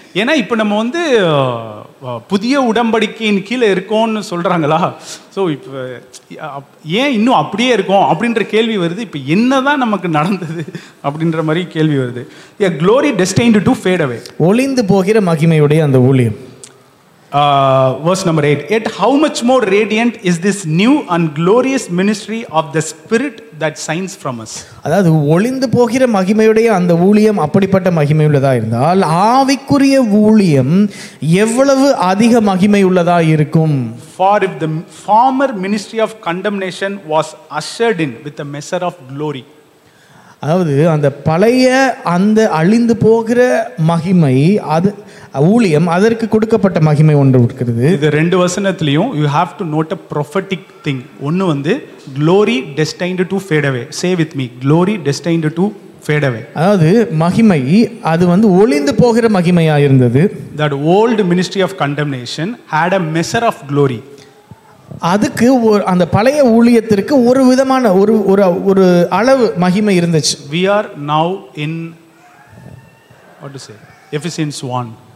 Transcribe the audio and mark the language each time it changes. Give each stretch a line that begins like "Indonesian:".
Tamil: ஏன்னா இப்போ நம்ம வந்து புதிய உடன்படிக்கையின் கீழே இருக்கோம்னு சொல்றாங்களா? ஸோ இப்போ ஏன் இன்னும் அப்படியே இருக்கும் அப்படின்ற கேள்வி வருது. இப்போ என்னதான் நமக்கு நடந்தது அப்படின்ற மாதிரி கேள்வி வருது.
English: a glory destined to fade away
Tamil: ஒளிந்து போகிற மகிமையுடைய அந்த ஊழியம்.
English: Verse number 8. Yet how much more radiant is this new and glorious ministry of the Spirit that shines from us.
Tamil: அதாவது ஒளிந்து போகிற மகிமையுடைய அந்த ஊழியம் அப்படிப்பட்ட மகிமை உள்ளதா இருந்தால் ஆவிக்குரிய ஊழியம் எவ்வளவு அதிக மகிமை உள்ளதா இருக்கும்.
English: For if the former ministry of condemnation was ushered in with a measure of glory.
Tamil: அதாவது அந்த பழைய அந்த அழிந்து போகிற மகிமை அது ஊழியம் அதற்கு கொடுக்கப்பட்ட மகிமை ஒன்று இருக்கிறது. இது ரெண்டு வசனத்திலையும்
English: You have to note a prophetic thing.
Tamil: ஒன்று வந்து
English: Glory destined to fade away. Say with me, glory destined to fade away.
Tamil: அதாவது மகிமை அது வந்து ஒளிந்து போகிற மகிமையா இருந்தது.
English: That old ministry of condemnation had a measure of glory.
Tamil: அதுக்கு அந்த பழைய ஊழியத்திற்கு ஒரு விதமான ஒரு ஒரு அளவு மகிமை இருந்துச்சு.
English: We are now in what to say Ephesians 1.